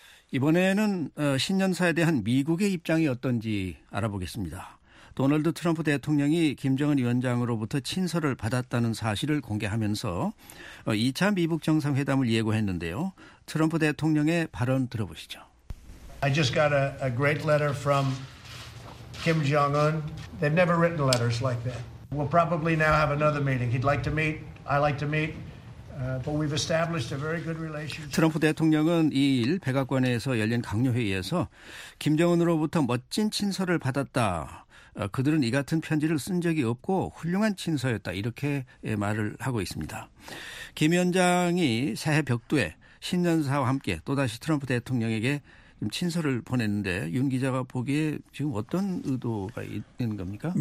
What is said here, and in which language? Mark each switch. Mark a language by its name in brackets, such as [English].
[Korean] 이번에는 신년사에 대한 미국의 입장이 어떤지 알아보겠습니다. 도널드 트럼프 대통령이 김정은 위원장으로부터 친서를 받았다는 사실을 공개하면서 2차 미북 정상회담을 예고했는데요. 트럼프 대통령의 발언 들어보시죠. [English] I just got a great letter from Kim Jong-un. They've never written letters like that. We'll probably now have another meeting. He'd like to meet. I like to meet. But we've established a very good relationship. [Korean] 트럼프 대통령은 2일 백악관에서 열린 강요회의에서 김정은으로부터 멋진 친서를 받았다. 그들은 이 같은 편지를 쓴 적이 없고 훌륭한 친서였다. 이렇게 말을 하고 있습니다. 김 위원장이 새해 벽두에 신년사와 함께 또다시 트럼프 대통령에게 친서를 보냈는데 윤 기자가 보기에 지금 어떤 의도가 있는 겁니까?